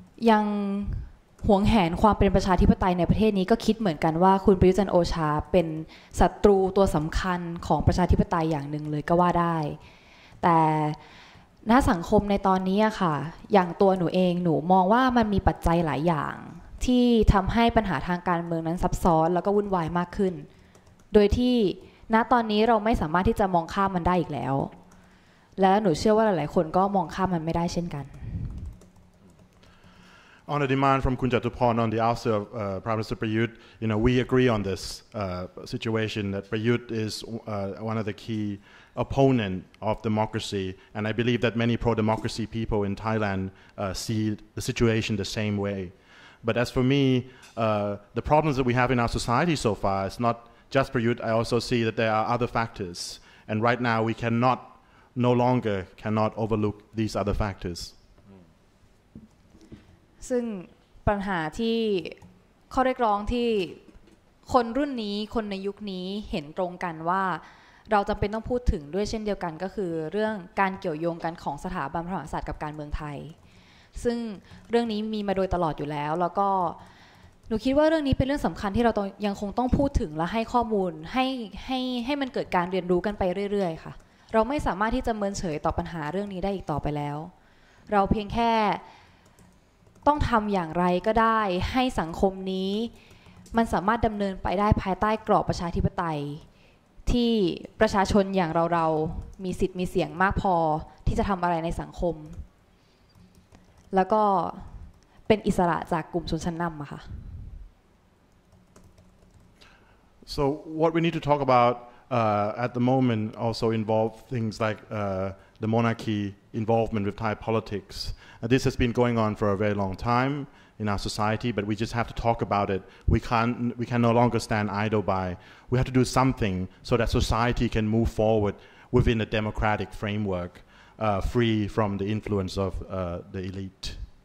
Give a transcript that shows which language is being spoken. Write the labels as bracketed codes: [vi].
[th] ยังหวงแหนความเป็นประชาธิปไตยในประเทศนี้ก็คิดเหมือนกันว่าคุณประยุทธ์จันทร์โอชาเป็นศัตรูตัวสำคัญของประชาธิปไตยอย่างหนึ่งเลยก็ว่าได้แต่ณสังคมในตอนนี้ค่ะอย่างตัวหนูเองหนูมองว่ามันมีปัจจัยหลายอย่างที่ทำให้ปัญหาทางการเมืองนั้นซับซ้อนแล้วก็วุ่นวายมากขึ้นโดยที่ณตอนนี้เราไม่สามารถที่จะมองข้ามมันได้อีกแล้วและหนูเชื่อว่าหลายๆคนก็มองข้ามมันไม่ได้เช่นกัน [en] On a demand from Kun Chattopon on the ouster of Prime Minister Prayut, you know, we agree on this situation that Prayut is one of the key opponent of democracy, and I believe that many pro-democracy people in Thailand see the situation the same way. But as for me, the problems that we have in our society so far is not just Prayut. I also see that there are other factors, and right now we no longer cannot overlook these other factors. [th] ซึ่งปัญหาที่ข้อเรียกร้องที่คนรุ่นนี้คนในยุคนี้เห็นตรงกันว่าเราจำเป็นต้องพูดถึงด้วยเช่นเดียวกันก็คือเรื่องการเกี่ยวโยงกันของสถาบันพระมหากษัตริย์กับการเมืองไทยซึ่งเรื่องนี้มีมาโดยตลอดอยู่แล้วแล้วก็หนูคิดว่าเรื่องนี้เป็นเรื่องสำคัญที่เรายังคงต้องพูดถึงและให้ข้อมูลให้มันเกิดการเรียนรู้กันไปเรื่อยๆค่ะเราไม่สามารถที่จะเมินเฉยต่อปัญหาเรื่องนี้ได้อีกต่อไปแล้วเราเพียงแค่ ต้องทำอย่างไรก็ได้ให้สังคมนี้มันสามารถดำเนินไปได้ภายใต้กรอบประชาธิปไตยที่ประชาชนอย่างเรามีสิทธิ์มีเสียงมากพอที่จะทำอะไรในสังคมแล้วก็เป็นอิสระจากกลุ่มชนชั้นนำอะค่ะ [en] So what we need to talk about at the moment also involve things like the monarchy involvement with Thai politics. This has been going on for a very long time in our society, but we just have to talk about it. We can no longer stand idle by. We have to do something so that society can move forward within a democratic framework, free from the influence of the elite.